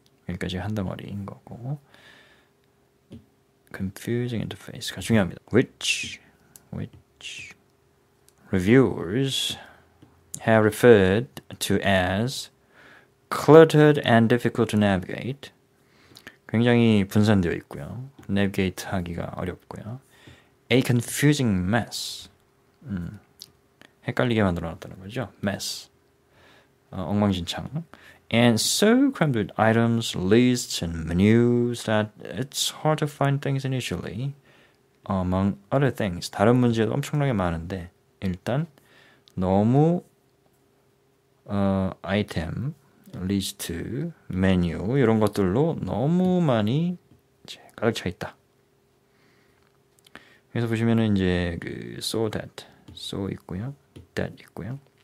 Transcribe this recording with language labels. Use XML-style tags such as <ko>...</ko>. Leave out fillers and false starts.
<ko>여기까지 한 덩어리인 거고.</ko> <en>Confusing interface</en> <ko>가 중요합니다.</ko> <en>Which reviewers have referred to as cluttered and difficult to navigate.</en> <ko>굉장히 분산되어 있고요.</ko> <en>Navigate</en> <ko>하기가 어렵고요.</ko> <en>A confusing mess.</en> <ko>헷갈리게 만들어놨다는 거죠. Mess. 엉망진창.</ko> <en>And so crammed with items, lists, and menus that it's hard to find things initially. Among other things.</en> <ko>다른 문제도 엄청나게 많은데 일단 너무 아이템, 리스트, 메뉴 이런 것들로 너무 많이 이제 가득 차 있다. 그래서 보시면은 이제 그 so that, so 있고요, that 있고요.</ko>